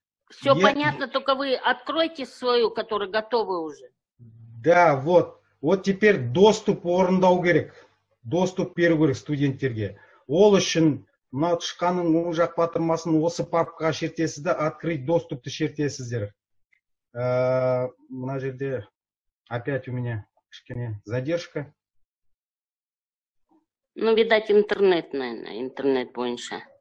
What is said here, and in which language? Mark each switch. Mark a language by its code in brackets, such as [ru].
[ru] Все понятно, только вы откройте свою, которая готова уже. Да, вот. Вот теперь доступ [kk] орындау керек. Доступ беру керек студенттерге. Ол үшін мына тышқанның оң жақ батырмасын осы папкаға шертесіз де, [ru] открыть [kk] доступты шертесіздер. Мына жерде [ru] опять у меня [kk] кішкене задержка. [ru] Ну, видать, интернет, наверное, интернет бойынша.